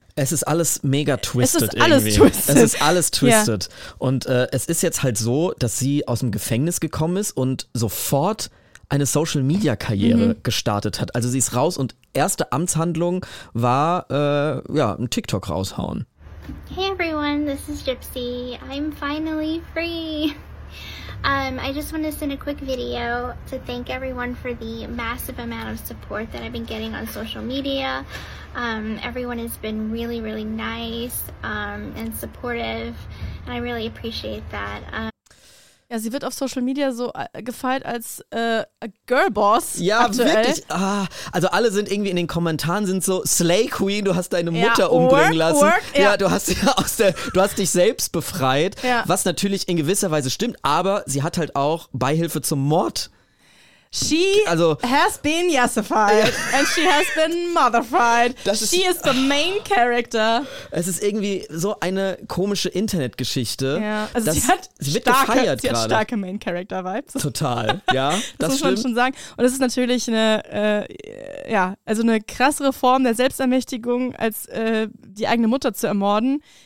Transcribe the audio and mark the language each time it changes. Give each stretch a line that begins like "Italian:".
German: Es ist alles mega twisted irgendwie. Es ist alles twisted. Ja. Und es ist jetzt halt so, dass sie aus dem Gefängnis gekommen ist und sofort eine Social-Media-Karriere gestartet hat. Also sie ist raus und erste Amtshandlung war ein TikTok raushauen.
English: Hey everyone, this is Gypsy. I'm finally free. I just want to send a quick video to thank everyone for the massive amount of support that I've been getting on social media. Everyone has been really, really nice and supportive, and I really appreciate that.
German: Ja, sie wird auf Social Media so gefeiert als Girlboss. Ja, aktuell. Wirklich. Ah, also alle sind irgendwie in den Kommentaren sind so Slay Queen, du hast deine Mutter umbringen lassen.
English: Work.
German: Du hast dich selbst befreit. Ja. Was natürlich in gewisser Weise stimmt, aber sie hat halt auch Beihilfe zum Mord.
English: Has been yesified and she has been motherfied. She is the main character.
German: Es ist irgendwie so eine komische Internetgeschichte. Ja, also sie hat starke Main Character Vibes. Total, ja. Das muss man schon sagen. Und es ist natürlich eine krassere Form der Selbstermächtigung, als die eigene Mutter zu ermorden.